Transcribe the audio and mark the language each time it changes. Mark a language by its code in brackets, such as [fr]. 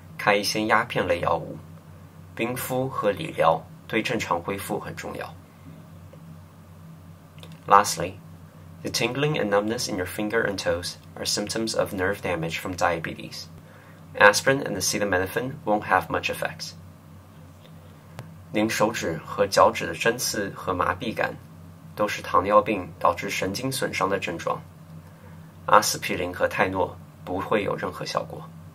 [zh] 开一些鸦片类药物，冰敷和理疗对正常恢复很重要。 [en] Lastly, the tingling and numbness in your finger and toes are symptoms of nerve damage from diabetes. Aspirin and acetaminophen won't have much effects. [zh] 您手指和脚趾的针刺和麻痹感都是糖尿病导致神经损伤的症状。阿司匹林和泰诺不会有任何效果。